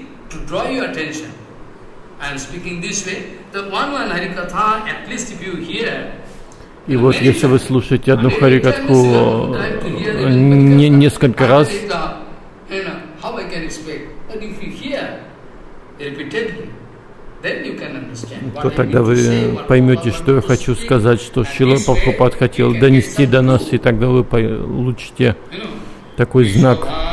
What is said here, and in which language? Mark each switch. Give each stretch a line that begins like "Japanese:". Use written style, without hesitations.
English: To draw your attention, I am speaking this way. The one harikatha, at least if you hear.
Russian: И вот, если вы слушаете одну харикатху несколько раз,
English: how I can expect? But if you hear repeatedly, then you can understand.
Russian: То тогда вы поймете, что я хочу сказать, что Шрила Прабхупада хотел донести до нас, и тогда вы получите такой знак.